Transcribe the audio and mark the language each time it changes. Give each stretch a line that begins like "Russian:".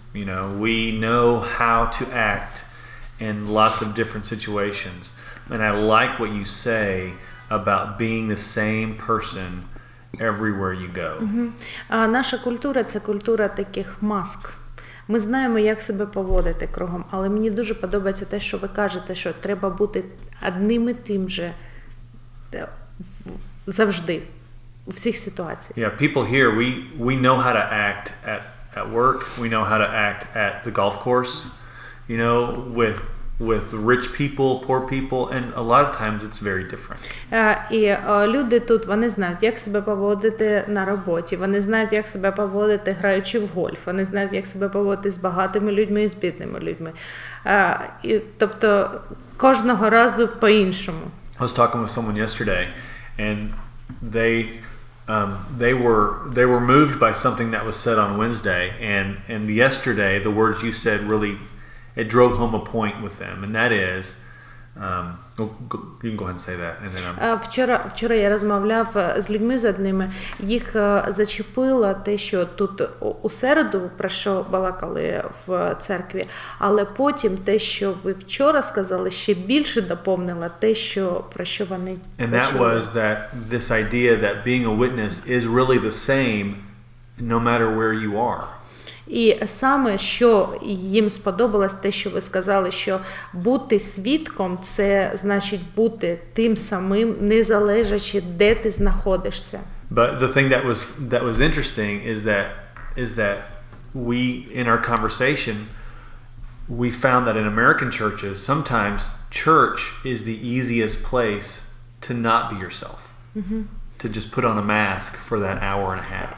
English: You know, we know how to act in lots of different situations. And I like what you say about being the same person everywhere you go.
Ukrainian: А наша культура – це культура таких маск. Ми знаємо, як себе поводити кругом, але мені дуже подобається те, що ви кажете, що треба бути одним і тим же завжди, у всіх ситуаціях.
English: Yeah, people here, we know how to act at work, we know how to act at the golf course, you know, with with rich people, poor people, and a lot of times it's very different.
Ukrainian: І люди тут, вони знають, як себе поводити на роботі, вони знають, як себе поводити, граючи в гольф, вони знають, як себе поводити з багатими людьми і з бідними людьми. І, тобто, кожного разу по-іншому.
English: I was talking with someone yesterday, and they were moved by something that was said on Wednesday, and yesterday the words you said really it drove home a point with them, and that is, you can go ahead and say that, and then I'm.
Ukrainian: Вчора я розмовляв з людьми з одними, їх зачепило те, що тут у середу про що балакали в церкві, але потім те, що ви вчора сказали, ще більше доповнило те, що про що вони.
English: And that was that this idea that being a witness is really the same, no matter where you are.
Ukrainian: І саме, що їм сподобалось те, що ви сказали, що бути свідком – це значить бути тим самим, незалежно, де ти знаходишся.
English: But the thing that was interesting is that we, in our conversation, we found that in American churches, sometimes church is the easiest place to not be yourself. Mm-hmm. To just put on a mask for that hour and a half.